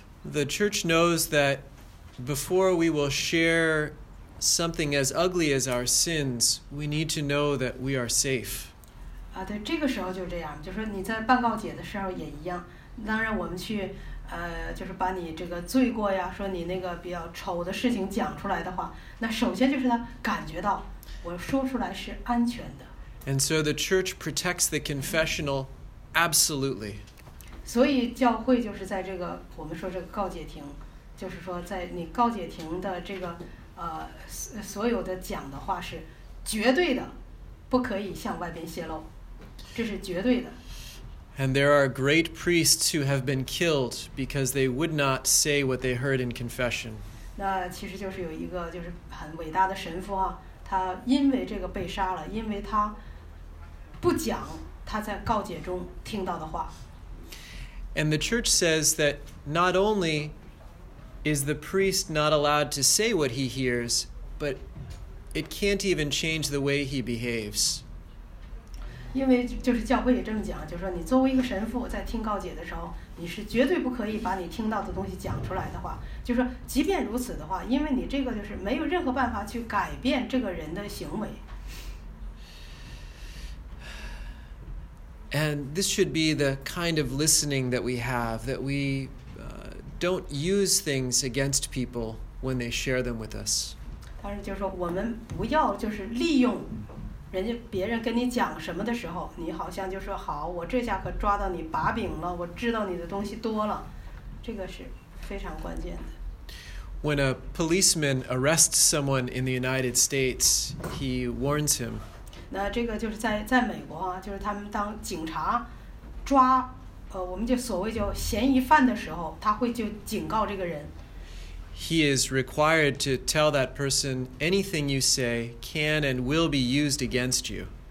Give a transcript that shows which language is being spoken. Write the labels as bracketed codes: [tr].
[en] The church knows that before we will share something as ugly as our sins, we need to know that we are safe. [zh] 啊，对，这个时候就这样，就是你在办告解的时候也一样。当然，我们去就是把你这个罪过呀，说你那个比较丑的事情讲出来的话，那首先就是他感觉到我说出来是安全的。 [en] And so the church protects the confessional absolutely. [zh] 所以教会就是在这个我们说这个告解庭，就是说在你告解庭的这个所有的讲的话是绝对的，不可以向外边泄露，这是绝对的。 [en] And there are great priests who have been killed because they would not say what they heard in confession. [zh] 那其实就是有一个就是很伟大的神父啊，他因为这个被杀了，因为他不讲他在告解中听到的话。 [en] And the church says that not only is the priest not allowed to say what he hears, but it can't even change the way he behaves. [zh] 因为就是教会也这么讲，就是说你作为一个神父在听告解的时候，你是绝对不可以把你听到的东西讲出来的话，就是说即便如此的话，因为你这个就是没有任何办法去改变这个人的行为。 [en] And this should be the kind of listening that we have, that we don't use things against people when they share them with us. [zh] 但是就是说我们不要就是利用人家别人跟你讲什么的时候，你好像就说好，我这下可抓到你把柄了，我知道你的东西多了，这个是非常关键的。 [en] When a policeman arrests someone in the United States, he warns him. [zh] 那这个就是在美国啊，就是他们当警察抓我们就所谓叫嫌疑犯的时候，他会就警告这个人。 [en] He is required to tell that person anything you say can and will be used against you.